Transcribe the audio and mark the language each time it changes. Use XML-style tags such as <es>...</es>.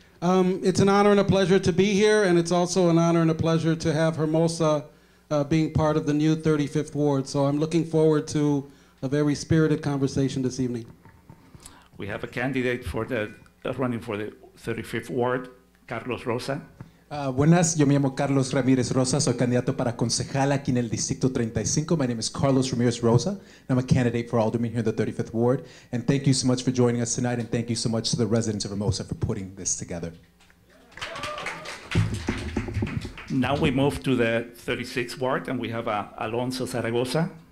<en>It's an honor and a pleasure to be here, and it's also an honor and a pleasure to have Hermosa being part of the new 35th ward. So I'm looking forward to a very spirited conversation this evening. We have a candidate for the running for the 35th ward, Carlos Rosa.</en> <es>Buenas, yo me llamo Carlos Ramirez Rosa. Soy candidato para concejal aquí en el distrito 35.</es> <en>My name is Carlos Ramirez Rosa, and I'm a candidate for alderman here in the 35th ward. And thank you so much for joining us tonight, and thank you so much to the residents of Hermosa for putting this together. Now we move to the 36th ward, and we have Alonso Zaragoza.</en>